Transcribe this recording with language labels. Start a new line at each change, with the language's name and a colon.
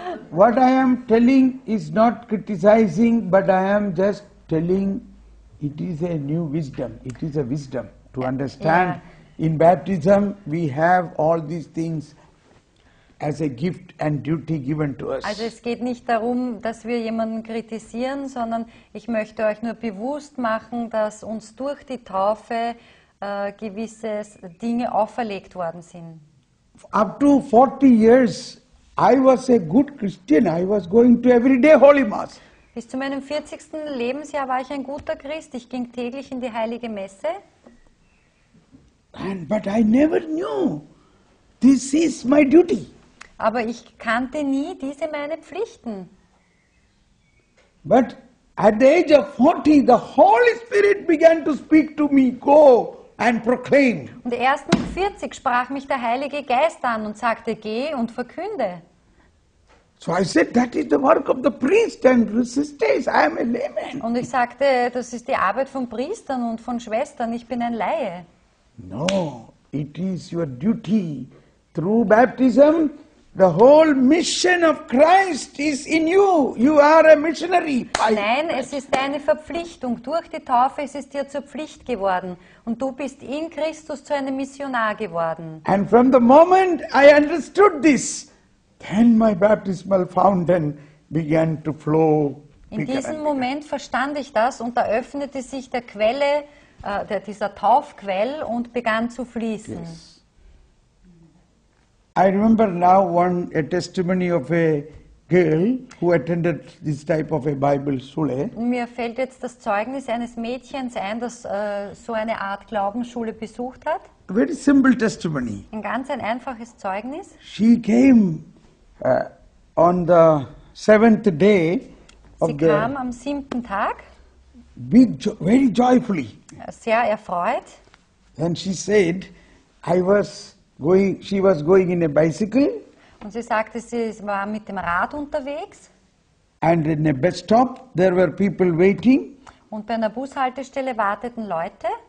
English: What I am telling is not criticizing, but I am just telling it is a new wisdom. It is a wisdom to understand. Yeah. In baptism, we have all these things as a gift and duty given to us.
German: Also es geht nicht darum, dass wir jemanden kritisieren, sondern ich möchte euch nur bewusst machen, dass uns durch die Taufe gewisse Dinge auferlegt worden sind.
English: Up to 40 years I was a good Christian. I was going to every day holy mass.
German: Bis zu meinem 40. Lebensjahr war ich ein guter Christ. Ich ging täglich in die heilige Messe.
English: And, but I never knew this is my duty.
German: Aber ich kannte nie diese meine Pflichten.
English: But at the age of 40, the Holy Spirit began to speak to me, go and proclaim.
German: Und erst mit 40 sprach mich der Heilige Geist an und sagte, geh und verkünde.
English: So I said, that is the work of the priest and sisters, I am a layman.
German: Und ich sagte, das ist die Arbeit von Priestern und von Schwestern, ich bin ein Laie.
English: No, it is your duty through baptism The whole mission of Christ is in you. You are a missionary.
German: Nein, es ist deine Verpflichtung. Durch die Taufe ist es dir zur Pflicht geworden. Und du bist in Christus zu einem Missionar geworden.
English: And from the moment I understood this, then my baptismal fountain began to flow.
German: In diesem Moment verstand ich das und eröffnete sich der Quelle, dieser Taufquell und begann zu fließen.
English: Yes. I remember now a testimony of a girl who attended this type of a Bible school.
German: Mir fällt jetzt das Zeugnis eines Mädchens ein, das so eine Art Glaubensschule besucht hat.
English: A very simple testimony.
German: Ein ganz ein einfaches Zeugnis.
English: She came on the seventh day of
German: the. Sie kam am siebten Tag.
English: Very joyfully.
German: Sehr erfreut.
English: And she said, she was going in a bicycle.
German: Und sie sagte, sie war mit dem Rad unterwegs.
English: And in a bus stop, there were people waiting.
German: Und bei einer Bushaltestelle warteten Leute.